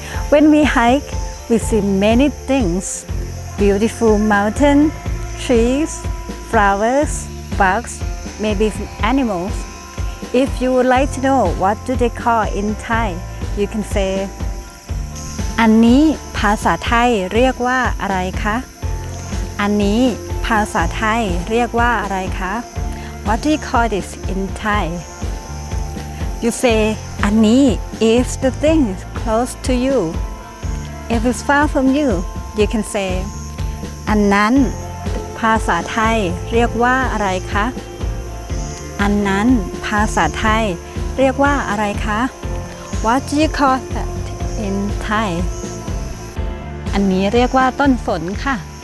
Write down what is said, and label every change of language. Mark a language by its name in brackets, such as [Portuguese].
[English] When we hike, we see many things. Beautiful mountain, trees, flowers, bugs, maybe some animals. If you would like to know what do they call in Thai, you can say, [Thai] อันนี้ภาษาไทยเรียกว่าอะไรคะ? อันนี้ภาษาไทยเรียกว่าอะไรคะ? [English] What do you call this in Thai? You say, Ani is the thing close to you. If it's far from you, you can say, Annan, [Thai] ภาษาไทยเรียกว่าอะไรคะ? Annan, ภาษาไทยเรียกว่าอะไรคะ? [English] What do you call that in Thai? [Thai] อันนี้เรียกว่าต้นฝนค่ะ